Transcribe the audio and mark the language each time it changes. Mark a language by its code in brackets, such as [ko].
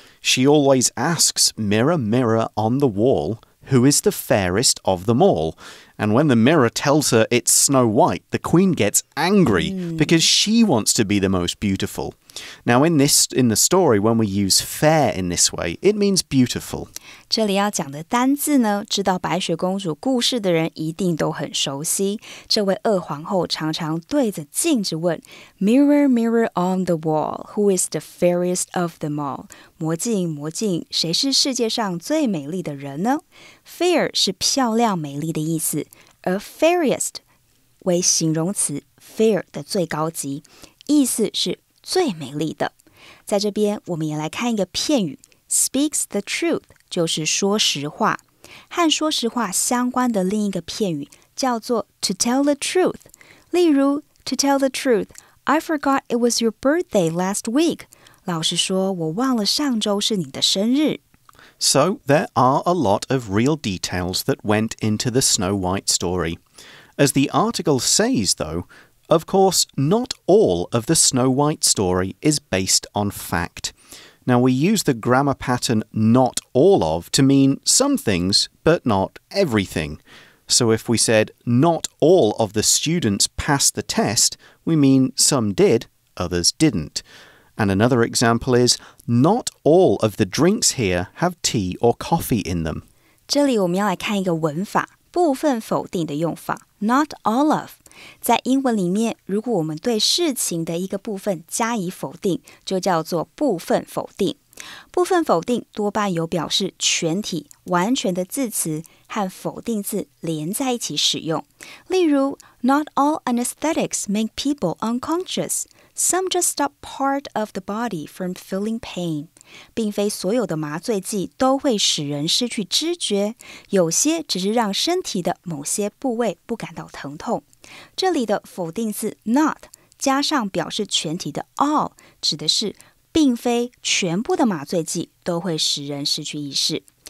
[en] She always asks, "Mirror, mirror on the wall, who is the fairest of them all?" And when the mirror tells her it's Snow White, the queen gets angry because she wants to be the most beautiful. Now, in the story, when we use fair in this way, it means beautiful. [zh] 这里要讲的单字呢，知道白雪公主故事的人一定都很熟悉。这位二皇后常常对着镜子问 [en] Mirror, mirror on the wall, who is the fairest of them all? [zh] 魔镜，魔镜，谁是世界上最美丽的人呢？ Fair 是漂亮美丽的意思，而 fairest 为形容词 fair 的最高级，意思是最美丽的。在这边我们也来看一个片语 [en] speaks the truth [zh] 就是说实话。和说实话相关的另一个片语叫做 [en] to tell the truth。 [zh] 例如 [en] to tell the truth, I forgot it was your birthday last week. [zh] 老实说我忘了上周是你的生日。 [en] So there are a lot of real details that went into the Snow White story. As the article says though,Of course, not all of the Snow White story is based on fact. Now, we use the grammar pattern not all of to mean some things, but not everything. So if we said not all of the students passed the test, we mean some did, others didn't. And another example is not all of the drinks here have tea or coffee in them. [zh] 这里我们要来看一个文法，部分否定的用法 [en] not all of. [zh] 在英文里面，如果我们对事情的一个部分加以否定，就叫做部分否定。部分否定多半有表示全体、完全的字词和否定字连在一起使用。例如 [en] ，Not all anesthetics make people unconscious. Some just stop part of the body from feeling pain. [zh] 并非所有的麻醉剂都会使人失去知觉，有些只是让身体的某些部位不感到疼痛。这里的否定字 not 加上表示全体的 all 指的是并非全部的麻醉剂都会使人失去意识。